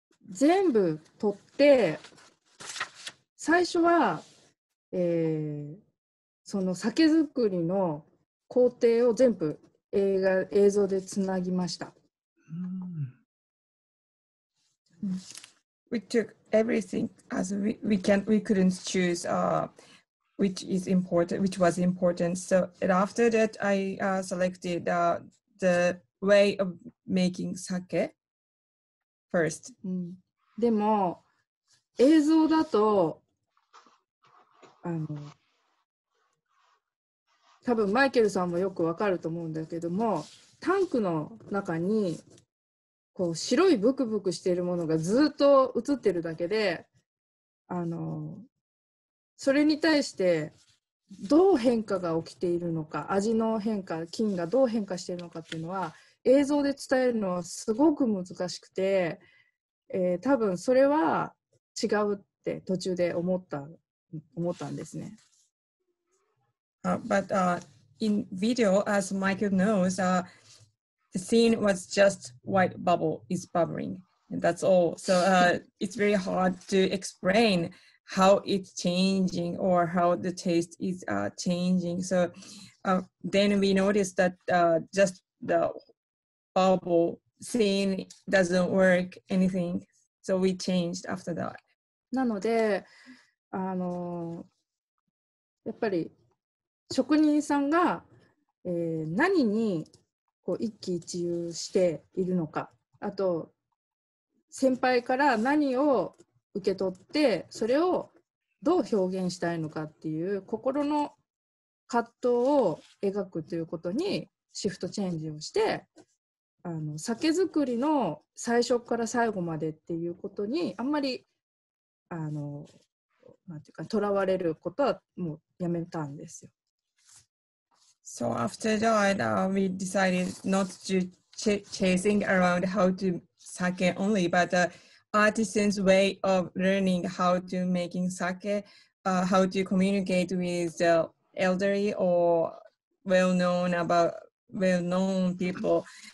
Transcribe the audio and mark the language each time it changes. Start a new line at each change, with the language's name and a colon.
Japanese: 全部撮って最初は、その酒造りの工程を全部映像でつなぎました。 Mm.
English: We took everything as we couldn't choose、which is important, which was important. So after that, I、selected、the way of making sake first.、
Japanese: うん、でも映像だとあの多分マイケルさんもよくわかると思うんだけどもタンクの中にこう白いブクブクしているものがずっと映ってるだけであのそれに対してどう変化が起きているのか味の変化菌がどう変化しているのかっていうのは映像で伝えるのはすごく難しくて、多分それは違うって途中で思ったんですね。
English: But in video, as Michael knows, the scene was just white bubble is bubbling, and that's all. So it's very hard to explain how it's changing or how the taste is changing. So then we noticed that just the bubble scene doesn't work anything, so we changed after that.
Japanese: なので、やっぱり職人さんが、何にこう一喜一憂しているのか、あと先輩から何を受け取って、それをどう表現したいのかっていう心の葛藤を描くということにシフトチェンジをして、あの酒造りの最初から最後までっていうことにあんまりあのなんていうかとらわれることはもうやめたんですよ。
English: So after that, we decided not to chasing around how to sake only, but artisan's way of learning how to making sake, how to communicate with the elderly or well-known people.